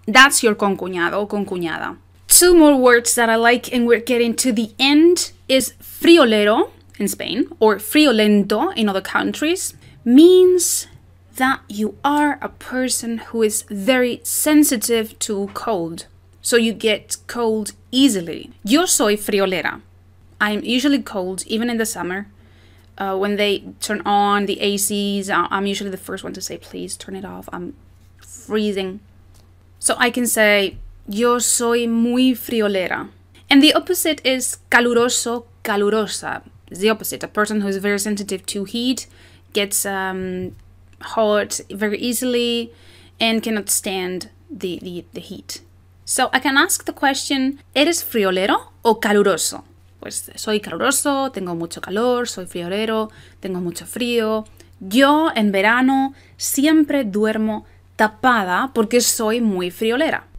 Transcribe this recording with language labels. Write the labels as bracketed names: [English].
[English] That's your concuñado o concuñada. Two more words that I like and we're getting to the end is friolero in Spain, or friolento in other countries, means that you are a person who is very sensitive to cold, so you get cold easily. [Spanish] Yo soy friolera. [English] I'm usually cold, even in the summer. When they turn on the ACs, I'm usually the first one to say, please turn it off, I'm freezing. So I can say, [Spanish] yo soy muy friolera. [English] And the opposite is caluroso, calurosa. It's the opposite. A person who is very sensitive to heat, gets hot very easily, and cannot stand the heat. So I can ask the question, [Spanish] ¿eres friolero o caluroso? Pues soy caluroso, tengo mucho calor, soy friolero, tengo mucho frío. Yo en verano siempre duermo tapada porque soy muy friolera.